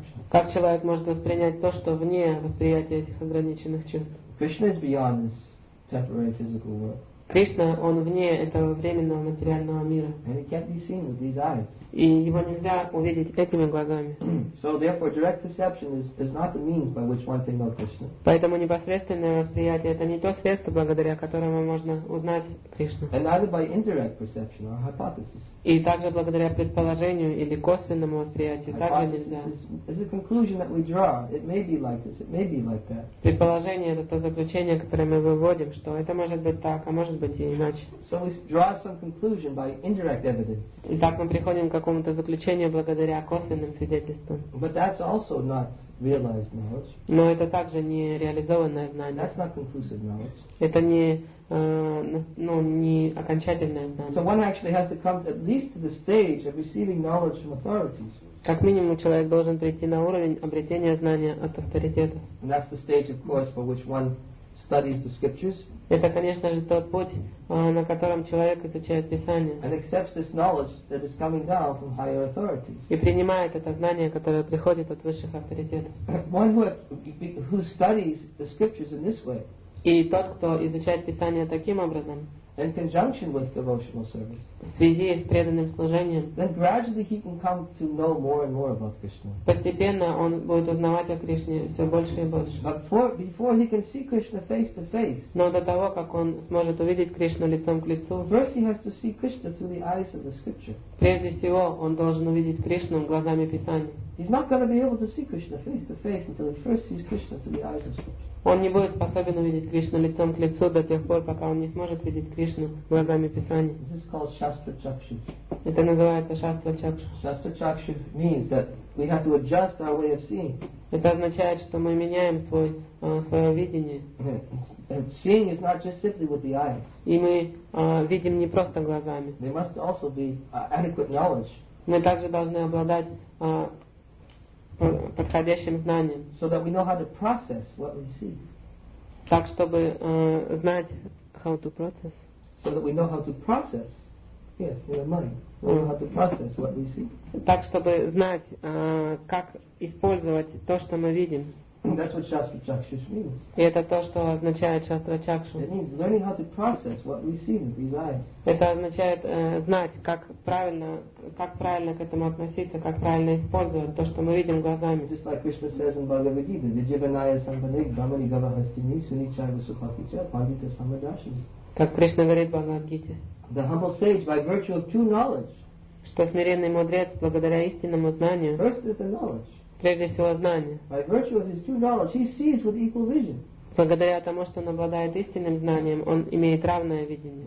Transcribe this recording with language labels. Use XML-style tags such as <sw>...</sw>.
<ru>Как человек может воспринять то, что вне восприятия этих ограниченных чувств?</ru> <en>Krishna is beyond this temporary physical world.</en> <ru>Кришна, он вне этого временного материального мира.</ru> <en>And he can't be seen with these eyes.</en> <ru>И его нельзя увидеть этими глазами.</ru> <en>So therefore, direct perception is not the means by which one can know Krishna.</en> <ru>Поэтому непосредственное восприятие — это не то средство, благодаря которому можно узнать Кришну.</ru> <en>And neither by indirect perception or hypothesis.</en> <ru>И также благодаря предположению или косвенному восприятию также нельзя.</ru> <en>Is a conclusion that we draw. It may be like this. It may be like that.</en> <ru>Предположение — это то заключение, которое мы выводим, что это может быть так, а может быть и иначе.</ru> <en>So we draw some conclusion by indirect evidence.</en> <ru>Итак, мы приходим к какому-то заключению благодаря косвенным свидетельствам.</ru> <en>But that's also not realized knowledge.</en> <ru>Но это также не реализованное знание.</ru> <en>That's not conclusive knowledge.</en> <ru>Это не ну, не окончательное знание.</ru> <en>So one actually has to come at least to the stage of receiving knowledge from authorities.</en> <ru>Как минимум, человек должен прийти на уровень обретения знания от авторитетов.</ru> <en>And that's the stage, of course, for which one studies the scriptures.</en> <ru>Это, конечно же, тот путь, на котором человек изучает Писание.</ru> <en>And accepts this knowledge that is coming down from higher authorities.</en> <ru>И принимает это знание, которое приходит от высших авторитетов.</ru> <en>One who studies the scriptures in this way.</en> <ru>И тот, кто изучает Писание таким образом,</ru> <en>in conjunction with devotional service,</en> <ru>в связи с преданным служением,</ru> <en>then gradually he can come to know more and more about Krishna.</en> <ru>Постепенно он будет узнавать о Кришне все больше и больше.</ru> <en>But before he can see Krishna face to face,</en> <ru>но до того, как он сможет увидеть Кришну лицом к лицу,</ru> <en>first he has to see Krishna through the eyes of the scripture.</en> <ru>Прежде всего, он должен увидеть Кришну глазами Писания.</ru> <en>He's not going to be able to see Krishna face to face until he first sees Krishna through the eyes of scripture.</en> <ru>Он не будет способен увидеть Кришну лицом к лицу до тех пор, пока он не сможет видеть Кришну глазами Писания.</ru> <en>This is called Shastra Chakshu.</en> <ru>Это называется Шастра Чакшу.</ru> <en>Shastra Chakshu means that we have to adjust our way of seeing.</en> <ru>Это означает, что мы меняем свое видение.</ru> <en>Seeing is not just simply with the eyes.</en> <ru>И мы видим не просто глазами.</ru> <en>There must also be adequate knowledge.</en> <ru>Мы также должны обладать подходящим знанием.</ru> <en>So that we know how to process what we see.</en> <ru>Так, чтобы знать</ru> <en>how to process. So that we know how to process. Yes, in our mind. We know how to process what we see.</en> <ru>Так, чтобы знать, как использовать то, что мы видим.</ru> <en>And that's what Shastra Chakshu means.</en> <ru>И это то, что означает Shastra Chakshu.</ru> <en>It means learning how to process what we see with these eyes.</en> <ru>Это означает знать, как правильно к этому относиться, как правильно использовать то, что мы видим глазами.</ru> <en>Just like Krishna says in Bhagavad Gita,</en> <sa>Vijivanaya Sambhanik, Bhamani Gavahastini, Sunichaya Vasupakicha, Pandita Samadashini.</sa> <ru>Как Кришна говорит в Бхагавад Гите.</ru> <en>The humble sage, by virtue of true knowledge.</en> <ru>Что смиренный мудрец, благодаря истинному знанию.</ru> <en>First is the knowledge.</en> <ru>Прежде всего, знание.</ru> <en>By virtue of his true knowledge, he sees with equal vision.</en> <ru>Благодаря тому, что он обладает истинным знанием, он имеет равное видение.</ru>